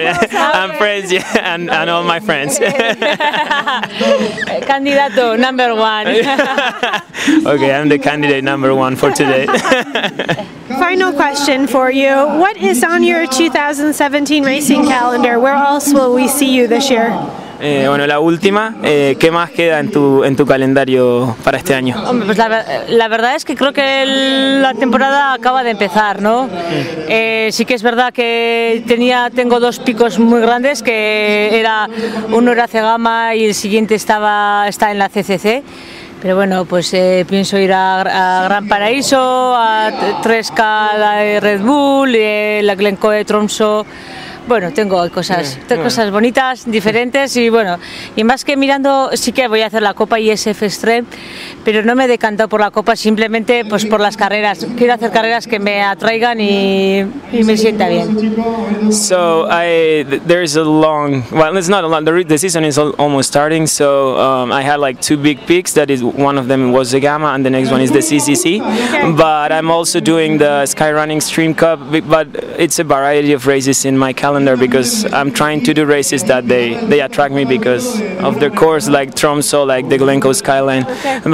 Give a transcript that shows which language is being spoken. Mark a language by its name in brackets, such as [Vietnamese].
[English] And friends, yeah, and all my friends. Candidato number one. Okay, I'm the candidate number one for today. Final question for you. What is on your 2017 racing calendar? Where else will we see you this year? [Spanish] Bueno, la última, ¿qué más queda en tu calendario para este año? Hombre, pues la verdad es que creo que la temporada acaba de empezar, ¿no? Sí que es verdad que tengo dos picos muy grandes, que era uno era Zegama y el siguiente está en la CCC. Pero bueno, pues pienso ir a Gran Paraíso, a 3K de Red Bull, la Glencoe de Tromso. Bueno, tengo cosas bonitas, diferentes, y bueno, y más que mirando, sí que voy a hacer la Copa ISF Extreme, pero no me he decantado por la Copa, simplemente pues por las carreras. Quiero hacer carreras que me atraigan y me sienta bien. [English] So, there is a long, well, it's not a long, the season is almost starting, so I had like two big peaks, that is, one of them was the Gamma, and the next one is the CCC, okay. But I'm also doing the Skyrunning Stream Cup, but it's a variety of races in my calendar because I'm trying to do races that they attract me because of their course, like Tromso, like the Glencoe Skyline, okay.